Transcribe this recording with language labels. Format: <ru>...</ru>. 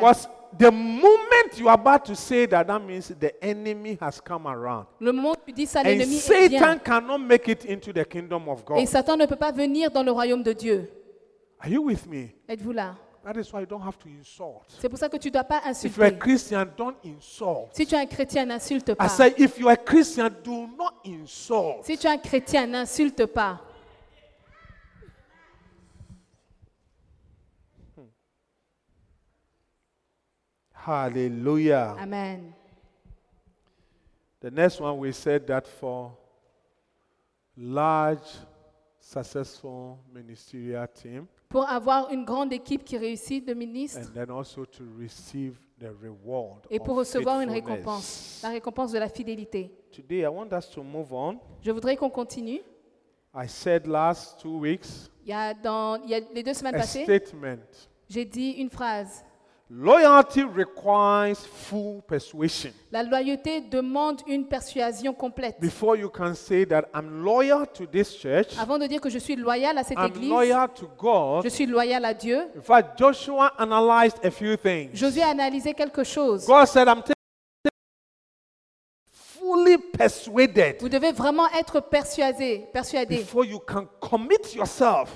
<en>Because the moment you are about to say that means the enemy has come around.</en> <fr>Le moment où tu dis ça,</fr> <en>and</en> <fr>l'ennemi</fr> <en>Satan</en> <fr>est bien.</fr> <en>Cannot make it into the kingdom of God.</en> <fr>Et Satan ne peut pas venir dans le royaume de Dieu.</fr> <en>Are you with me?</en> <fr>Êtes-vous là?</fr> <en>That is why you don't have to insult.</en> <fr>C'est pour ça que tu dois pas insulter.</fr> <en>If you are a Christian, don't insult.</en> <fr>Si tu es un chrétien, n'insulte pas.</fr> <en>I say, if you are a Christian, do not insult.</en> <fr>Si tu es un chrétien, n'insulte pas. Hallelujah. Amen.</fr> <en>The next one, we said that for large, successful ministerial team.</en> <fr>Pour avoir une grande équipe qui réussit de ministre.</fr> <en>And then also to receive the reward.</en> <fr>Et pour recevoir une récompense, la récompense de la fidélité.</fr> <en>Today, I want us to move on.</en> <fr>Je voudrais qu'on continue.</fr> <en>I said last 2 weeks.</en> <fr>Il y a les deux semaines passées.</fr> <en>A statement.</en> <fr>J'ai dit une phrase.</fr> <en>Loyalty requires full persuasion.</en> <fr>La loyauté demande une persuasion complète.</fr> <en>Before you can say that I'm loyal to this church,</en> <fr>avant de dire que je suis loyal à cette</fr> <en>I'm</en> <fr>église,</fr> <en>loyal to God,</en> <fr>je suis loyal à Dieu.</fr> <en>In fact, Joshua analyzed a few things.</en> <fr>Josué a analysé quelque chose.</fr> <en>God said, I'm fully persuaded.</en> <fr>Vous devez vraiment être persuadé.</fr> <en>Before you can commit yourself,</en>